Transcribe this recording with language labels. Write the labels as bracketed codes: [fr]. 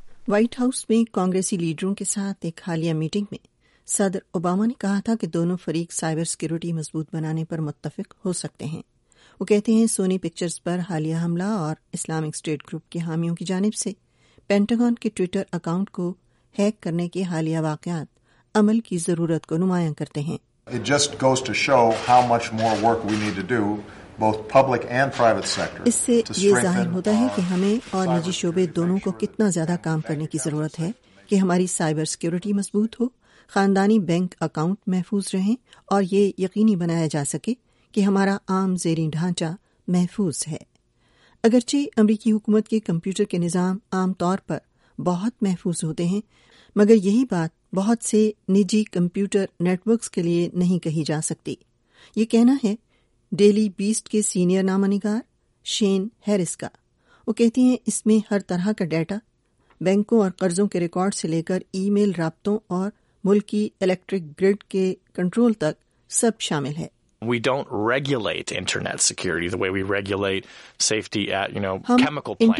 [ur] White house میں کانگریسی لیڈروں کے ساتھ ایک حالیہ میٹنگ میں صدر اوباما نے کہا تھا کہ دونوں فریق سائبر سیکیورٹی مضبوط بنانے پر متفق ہو سکتے ہیں۔ وہ کہتے ہیں سونی پکچرز پر حالیہ حملہ اور اسلامک اسٹیٹ گروپ کے حامیوں کی جانب سے پینٹاگون کے ٹویٹر اکاؤنٹ کو ہیک کرنے کے حالیہ واقعات عمل کی ضرورت کو نمایاں کرتے ہیں۔ [en] It just goes to show how much more work we need to do, both public and private sector. [ur] اس سے یہ ظاہر ہوتا ہے کہ ہمیں اور نجی شعبے دونوں کو کتنا زیادہ کام کرنے کی ضرورت ہے کہ ہماری سائبر سیکیورٹی مضبوط ہو، خاندانی بینک اکاؤنٹ محفوظ رہیں، اور یہ یقینی بنایا جا سکے کہ ہمارا عام زیریں ڈھانچہ محفوظ ہے۔ اگرچہ امریکی حکومت کے کمپیوٹر کے نظام عام طور پر بہت محفوظ ہوتے ہیں، مگر یہی بات بہت سے نجی کمپیوٹر نیٹورکس کے لیے نہیں کہی جا سکتی۔ یہ کہنا ہے ڈیلی بیسٹ کے سینئر نامہ نگار شین ہیرس کا۔ وہ کہتی ہیں اس میں ہر طرح کا ڈیٹا، بینکوں اور قرضوں کے ریکارڈ سے لے کر ای میل رابطوں اور ملکی الیکٹرک گرڈ کے کنٹرول تک، سب شامل ہے۔ [en] We don't regulate internet security the way we regulate safety at, you know, chemical plants.